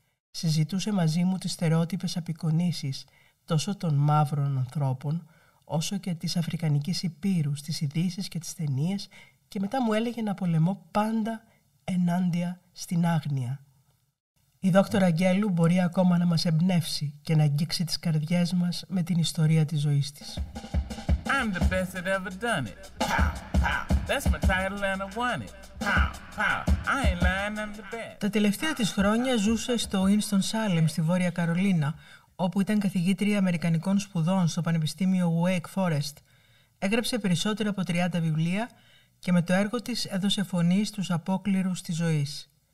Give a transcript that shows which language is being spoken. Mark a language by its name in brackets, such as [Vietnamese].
[Greek] Συζητούσε μαζί μου τις στερεότυπες απεικονίσεις τόσο των μαύρων ανθρώπων, όσο και της αφρικανικής ηπείρου, στις ειδήσεις και τις ταινίες, και μετά μου έλεγε να πολεμώ πάντα ενάντια στην άγνοια. Η δόκτωρ Αγγέλου μπορεί ακόμα να μας εμπνεύσει και να αγγίξει τις καρδιές μας με την ιστορία της ζωής της. [English] I'm the best that ever done it. That's my title and I want it. I ain't lying, I'm the best. [Greek] Τα τελευταία της χρόνια ζούσε στο Winston-Salem στη Βόρεια Καρολίνα, όπου ήταν καθηγήτρια Αμερικανικών σπουδών στο Πανεπιστήμιο Wake Forest. Έγραψε περισσότερο από 30 βιβλία και με το έργο της έδωσε φωνή στους απόκληρους της ζωής.